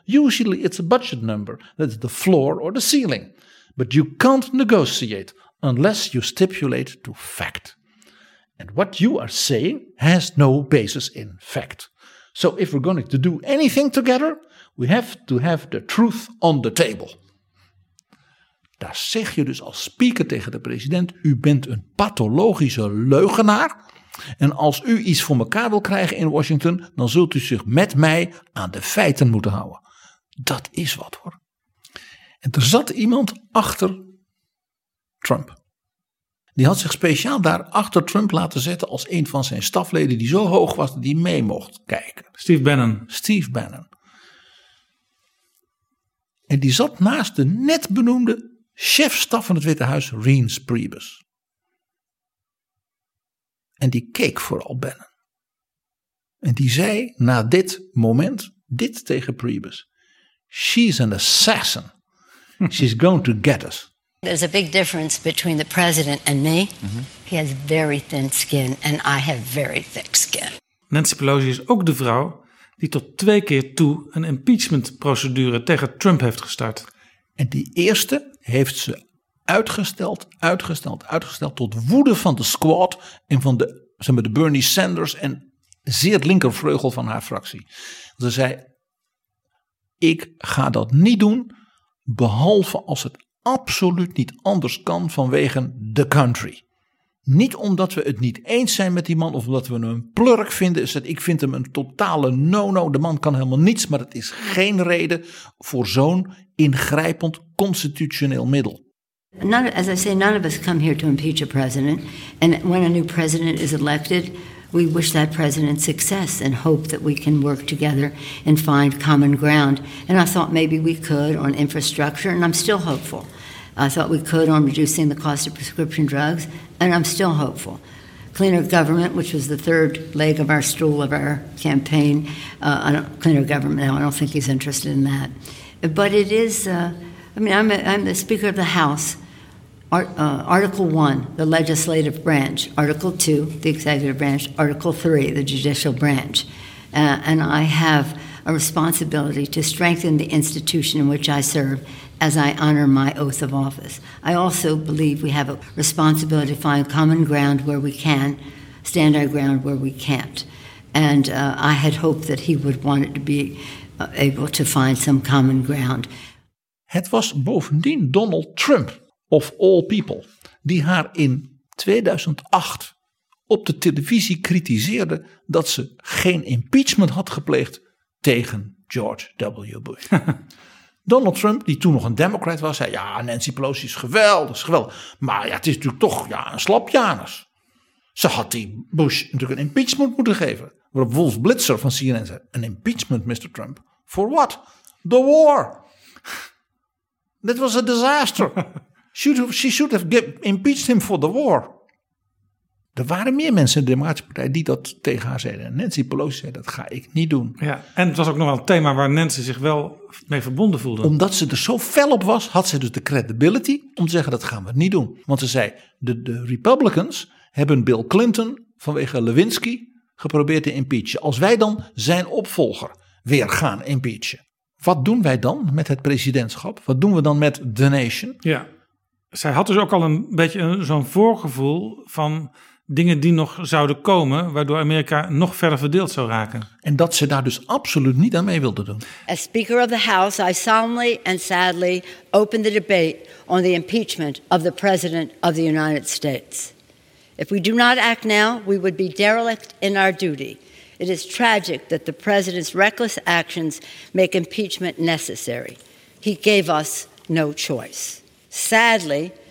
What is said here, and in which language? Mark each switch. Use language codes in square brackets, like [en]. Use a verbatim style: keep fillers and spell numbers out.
[en] Usually it's a budget number, that's the floor or the ceiling. But you can't negotiate unless you stipulate to fact. And what you are saying has no basis in fact. So if we're going to do anything together, we have to have the truth on the table. [nl] Daar zeg je dus als speaker tegen de president, u bent een pathologische leugenaar. En als u iets voor elkaar wil krijgen in Washington, dan zult u zich met mij aan de feiten moeten houden. Dat is wat hoor. En er zat iemand achter Trump. Die had zich speciaal daar achter Trump laten zetten als een van zijn stafleden die zo hoog was dat hij mee mocht kijken. Steve Bannon. Steve Bannon. En die zat naast de net benoemde chefstaf van het Witte Huis, Reince Priebus. En die keek vooral Bannon. En die zei na dit moment dit tegen Priebus. [en] She's an assassin. She's going to get us. There's a big difference between the president and me. Mm-hmm. He has very thin skin and I have very thick skin. [nl] Nancy Pelosi is ook de vrouw die tot twee keer toe een impeachmentprocedure tegen Trump heeft gestart. En die eerste heeft ze uitgesteld, uitgesteld, uitgesteld tot woede van de squad en van de, zeg maar, de Bernie Sanders en zeer linkervleugel van haar fractie. Ze zei, ik ga dat niet doen, behalve als het absoluut niet anders kan vanwege [en] the country. [nl] Niet omdat we het niet eens zijn met die man of omdat we hem een plurk vinden. Is dat, ik vind hem een totale no-no. De man kan helemaal niets, maar dat is geen reden voor zo'n ingrijpend constitutioneel middel. [en] None, as I say, none of us come here to impeach a president. And when a new president is elected, we wish that president success and hope that we can work together and find common ground. And I thought maybe we could on infrastructure, and I'm still hopeful. I thought we could on reducing the cost of prescription drugs, and I'm still hopeful. Cleaner government, which was the third leg of our stool of our campaign, uh, I don't, cleaner government now, I don't think he's interested in that. But it is, uh, I mean, I'm, a, I'm the Speaker of the House, Art, uh, Article one, the legislative branch, Article two, the executive branch, Article three, the judicial branch. Uh, and I have a responsibility to strengthen the institution in which I serve as I honor my oath of office. I also believe we have a responsibility to find common ground where we can, stand our ground where we can't. And uh, I had hoped that he would want it to be uh, able to find some common ground. [nl] Het was bovendien Donald Trump, [en] of all people, [nl] die haar in tweeduizend acht op de televisie kritiseerde dat ze geen impeachment had gepleegd tegen George W. Bush. Donald Trump, die toen nog een Democrat was, zei ja, Nancy Pelosi is geweldig, is geweldig. Maar ja, het is natuurlijk toch ja, een slapjanus. Ze had die Bush natuurlijk een impeachment moeten geven. Waarop Wolf Blitzer van C N N zei, een impeachment, mister Trump? [en] For what? The war. That was a disaster. She should have impeached him for the war. [nl] Er waren meer mensen in de Democratische Partij die dat tegen haar zeiden. En Nancy Pelosi zei, dat ga ik niet doen. Ja, en het was ook nog wel een thema waar Nancy zich wel mee verbonden voelde. Omdat ze er zo fel op was, had ze dus de credibility om te zeggen, dat gaan we niet doen. Want ze zei, de, de Republicans hebben Bill Clinton vanwege Lewinsky geprobeerd te impeachen. Als wij dan zijn opvolger weer gaan impeachen. Wat doen wij dan met het presidentschap? Wat doen we dan met [en] the nation? [nl] Ja, zij had dus ook al een beetje een, zo'n voorgevoel van dingen die nog zouden komen, waardoor Amerika nog verder verdeeld zou raken. En dat ze daar dus absoluut niet aan mee wilde doen. [en] As Speaker of the House, I solemnly and sadly open the debate on the impeachment of the President of the United States. If we do not act now, we would be derelict in our duty. It is tragic that the President's reckless actions make impeachment necessary. He gave us no choice. Sadly,